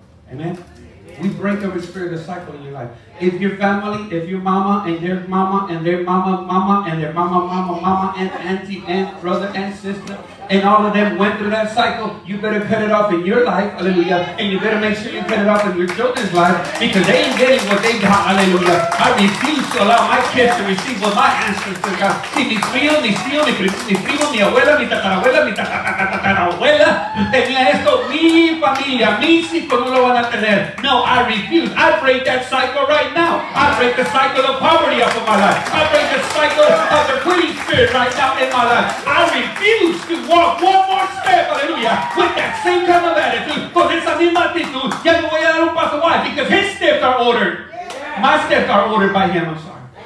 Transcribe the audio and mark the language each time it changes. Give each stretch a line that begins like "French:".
English: Amen? We break every spirit of cycle in your life. If your family, if your mama and their mama and their mama, mama and their mama, mama, mama and auntie and brother and sister and all of them went through that cycle, you better cut it off in your life. Hallelujah. And you better make sure you cut it off in your children's life because they ain't getting what they got. Hallelujah. I refuse to allow my kids to receive what my ancestors got.
Spanish: Si mi tío, mi tío, mi primo, mi abuela, mi tatarabuela, mi tatarabuela tenía esto, mi familia, mis hijos no lo van a tener.
English: No, I refuse. I break that cycle right now. I break the cycle of poverty up in my life. I break the cycle of the quitting spirit right now in my life. I refuse to walk one more step, hallelujah, with that same kind of attitude.
Spanish: Con esa misma actitud, ya no voy a dar un paso.
English: Why? Because his steps are ordered. My steps are ordered by him, I'm sorry.